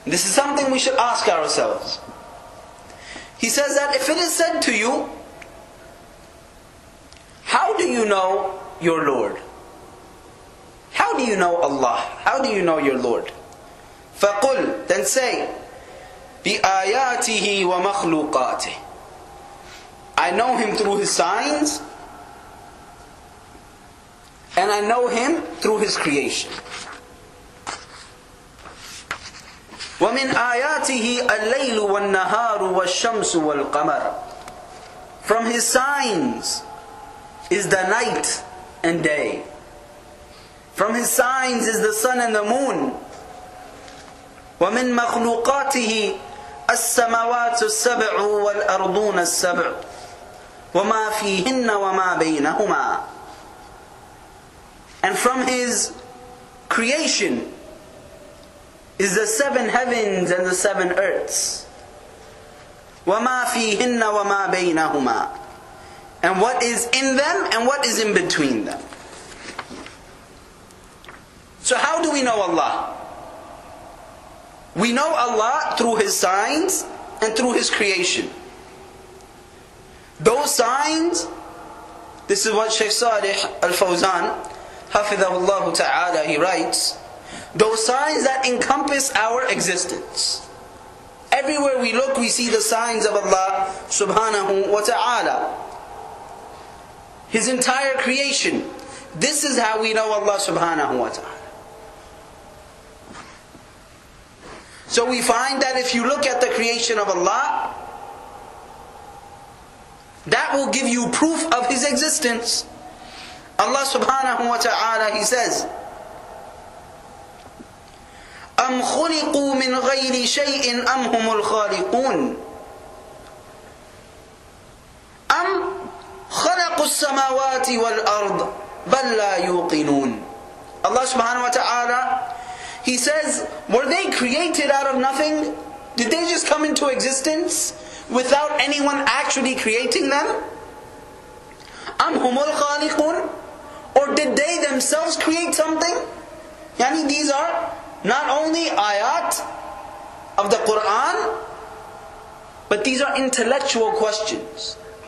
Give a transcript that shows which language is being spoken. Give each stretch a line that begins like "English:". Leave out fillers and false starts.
English: This is something we should ask ourselves. He says that if it is said to you, how do you know your Lord? How do you know Allah? How do you know your Lord?
Arabic: فَقُلْ,
English: then say,
Arabic: بِآيَاتِهِ وَمَخْلُوقَاتِهِ.
English: I know him through his signs, and I know him through his creation.
Arabic: وَمِنْ آيَاتِهِ اللَّيْلُ وَالنَّهَارُ وَالشَّمْسُ وَالْقَمَرُ.
English: From his signs is the night and day. From his signs is the sun and the moon.
Arabic: وَمِنْ مَخْلُوقَاتِهِ السماوات السبع والأرضون السبع وما فيهن وما بينهما.
English: And from his creation is the seven heavens and the seven earths.
Arabic: وما فيهن وما بينهما.
English: And what is in them and what is in between them. So how do we know Allah? We know Allah through His signs and through His creation. Those signs, this is what Shaykh Salih Al-Fawzan, hafidhahullah ta'ala, he writes, those signs that encompass our existence. Everywhere we look, we see the signs of Allah subhanahu wa ta'ala. His entire creation. This is how we know Allah subhanahu wa ta'ala. So we find that if you look at the creation of Allah, that will give you proof of His existence.
Arabic: Allah subhanahu wa ta'ala,
English: He says,
Arabic: أَمْ خُلِقُوا مِنْ غَيْرِ شَيْءٍ أَمْ هُمُ الْخَالِقُونَ أَمْ خَلَقُوا السَّمَاوَاتِ وَالْأَرْضِ بَلْ لَا يُوقِنُونَ.
English: Allah subhanahu wa ta'ala, He says, were they created out of nothing? Did they just come into existence without anyone actually creating them?
Arabic: أَمْ هُمُ الْخَالِقُونَ.
English: Or did they themselves create something? Yani these are not only ayat of the Qur'an, but these are intellectual questions.